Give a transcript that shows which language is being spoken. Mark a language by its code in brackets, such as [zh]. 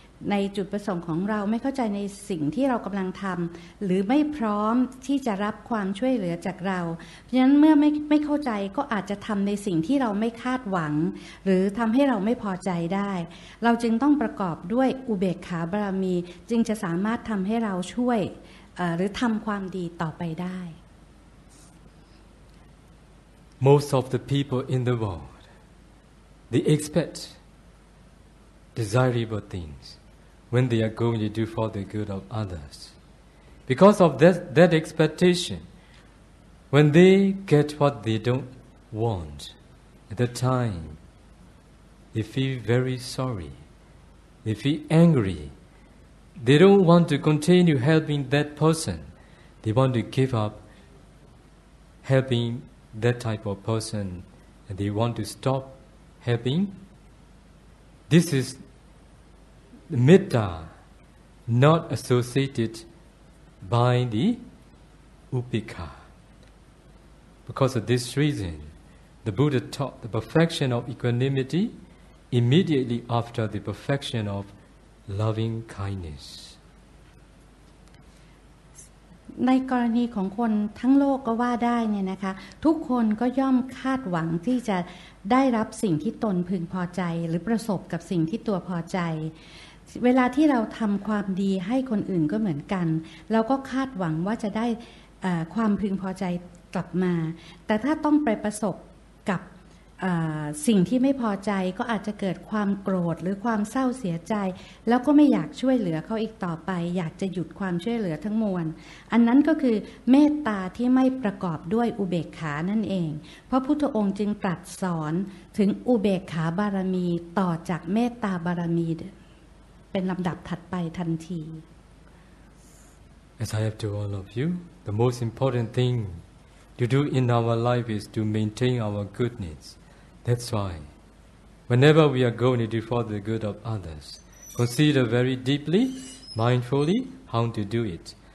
[th] ในจุดประสงค์ของเราไม่เข้าใจในสิ่งที่เรากำลังทำหรือไม่พร้อมที่จะรับความช่วยเหลือจากเราเพราะฉะนั้นเมื่อไม่เข้าใจก็อาจจะทำในสิ่งที่เราไม่คาดหวังหรือทำให้เราไม่พอใจได้เราจึงต้องประกอบด้วยอุเบกขาบารมีจึงจะสามารถทำให้เราช่วยหรือทำความดีต่อไปได้ [en] Most of the people in the world they expect desirable thingsWhen they are going to do for the good of others. Because of that expectation, when they get what they don't want, at that time, they feel very sorry, they feel angry, they don't want to continue helping that person, they want to give up helping that type of person, and they want to stop helping. This isMetta, not associated by the upekkha. Because of this reason, the Buddha taught the perfection of equanimity immediately after the perfection of loving kindness. [th] ในกรณีของคนทั้งโลกก็ว่าได้เนี่ยนะคะทุกคนก็ย่อมคาดหวังที่จะได้รับสิ่งที่ตนพึงพอใจหรือประสบกับสิ่งที่ตัวพอใจเวลาที่เราทำความดีให้คนอื่นก็เหมือนกันเราก็คาดหวังว่าจะได้ความพึงพอใจกลับมาแต่ถ้าต้องไปประสบกับ สิ่งที่ไม่พอใจก็อาจจะเกิดความโกรธหรือความเศร้าเสียใจแล้วก็ไม่อยากช่วยเหลือเขาอีกต่อไปอยากจะหยุดความช่วยเหลือทั้งมวลอันนั้นก็คือเมตตาที่ไม่ประกอบด้วยอุเบกขานั่นเองเพราะพุทธองค์จึงตรัสสอนถึงอุเบกขาบารมีต่อจากเมตตาบารมีเป็นลำดับถัดไปทันที [en] As I have to all of you, the most important thing to do in our life is to maintain our goodness. That's why, whenever we are going to do for the good of others, consider very deeply, mindfully, how to do it.